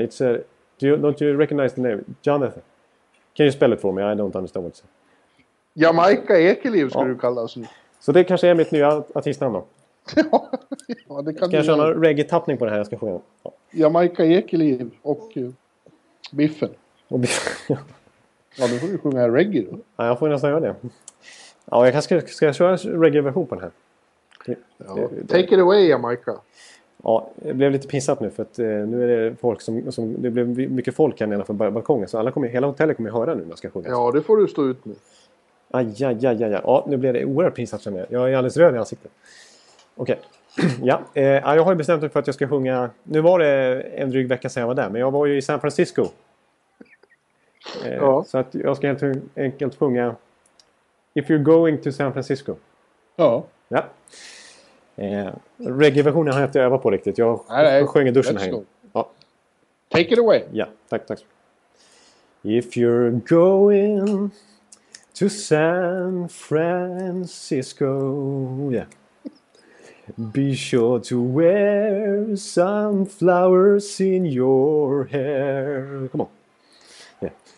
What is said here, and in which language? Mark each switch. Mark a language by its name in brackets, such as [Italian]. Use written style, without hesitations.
[English] It's a, don't you recognize the name? Jonathan. Can you spell it for me? I don't understand what it's. [Swedish] Jamaica Ekeliv skulle du kalla oss. Så det kanske är mitt nya artistnamn då. Ja, det kan du. Ska jag köra någon reggae-tappning på det här jag ska sjunga? Ja. Jamaica Ekeliv och Biffen. Och Biffen. Ja, då får du sjunga reggae då. Ja, jag får nästan göra det. Ja, jag kanske ska jag köra reggae-version på den här. [English] Take it away, Jamaica. [Swedish] Ja, det blev lite pinsamt nu. För att nu är det folk som det blev mycket folk här nere från balkongen. Så hela hotellet kommer höra nu när jag ska sjunga. Ja, det får du stå ut med. Ajajajaja, ja, nu blev det oerhört pinsamt för mig. Jag är alldeles röd i ansiktet. Okej, okay. Ja, jag har ju bestämt mig för att jag ska sjunga. Nu var det en dryg vecka sedan jag var där. Men jag var ju i San Francisco. Så att jag ska helt enkelt sjunga If you're going to San Francisco. Ja. Ja. Reggae-versionen har jag inte övat på riktigt. Jag sjöng i duschen här. [English] Ja. Take it away. [Swedish] Ja, tack. [English] If you're going to San Francisco, yeah, be sure to wear some flowers in your hair. Come on. Yeah.